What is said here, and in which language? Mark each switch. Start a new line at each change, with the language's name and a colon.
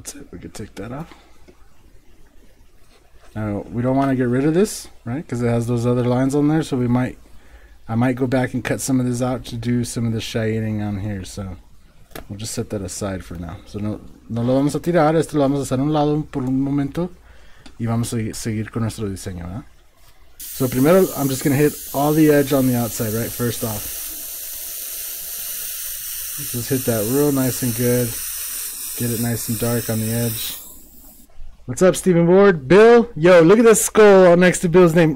English: We could take that off. Now we don't want to get rid of this, right? Because it has those other lines on there. So we might, I might go back and cut some of this out to do some of the shading on here. So we'll just set that aside for now.
Spanish: So no lo vamos a tirar. Esto lo vamos a hacer a un lado por un momento. Y vamos a seguir con nuestro diseño, ¿verdad?
English: So
Spanish: primero,
English: I'm just going to hit all the edge on the outside, right? First off. Just hit that real nice and good. Get it nice and dark on the edge. What's up, Stephen Ward? Bill? Yo, look at this skull next to Bill's name.